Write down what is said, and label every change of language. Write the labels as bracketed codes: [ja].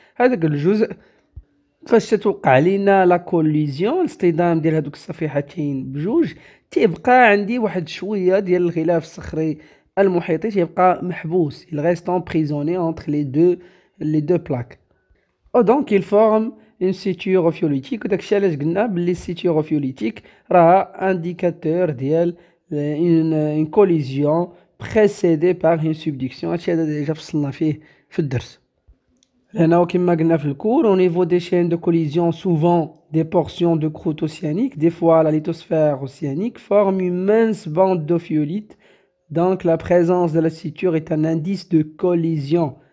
[ar] هذاك الجزء فاش تتوقع لينا لا كوليزيون، الاصطدام ديال هذوك الصفيحتين بجوج، تيبقى عندي واحد شويه ديال الغلاف الصخري المحيطي تيبقى محبوس، [fr] il reste emprisonné entre les deux plaques. او دونك il forme une suture ophiolitique، [ar] وداك الشيء علاش قلنا باللي [fr] suture ophiolitique [ar] راه انديكاتور ديال [fr] une collision précédée par une subduction. [ar] هادشي هذا ديجا فصلنا فيه في الدرس. لأنه كما قلنا في الكور، [fr] au niveau des chaînes de collision souvent des portions de croûte océanique des fois la lithosphère océanique forment une mince bande d'ophiolite. Donc la présence de la suture est un indice de collision.